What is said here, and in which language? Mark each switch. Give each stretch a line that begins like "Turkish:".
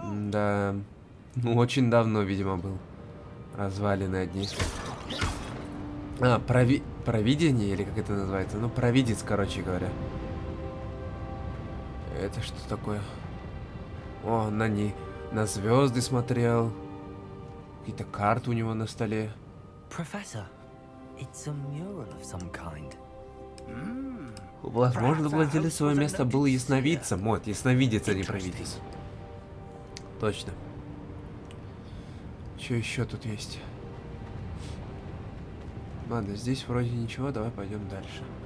Russian: Да, ну очень давно, видимо, был. Развалины одни. А, провидение, или как это называется? Ну, провидец, короче говоря. Это что такое? О, на звезды смотрел. Какие-то карты у него на столе.
English: Профессор, it's a mural of some kind.
Russian: Возможно, владелец своего места был ясновидцем. Вот, ясновидец, а не провидец. Точно. Что еще тут есть? Ладно, здесь вроде ничего, давай пойдем дальше.